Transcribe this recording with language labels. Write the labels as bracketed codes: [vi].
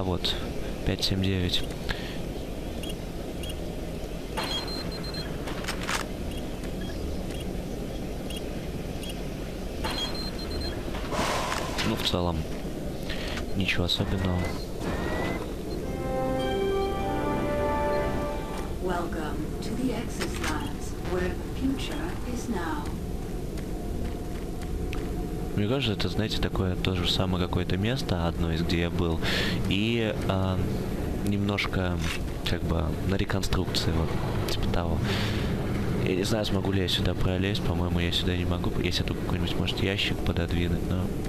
[ru] А вот, 579. Ну, в целом, ничего особенного. [en] Welcome to the Exus Labs, where the future is now. [ru] Мне кажется, это, знаете, такое то же самое какое-то место, одно из, где я был, и немножко, как бы, на реконструкции, вот, типа того. Я не знаю, смогу ли я сюда пролезть, по-моему, я сюда не могу, если тут какой-нибудь, может, ящик пододвинуть, но...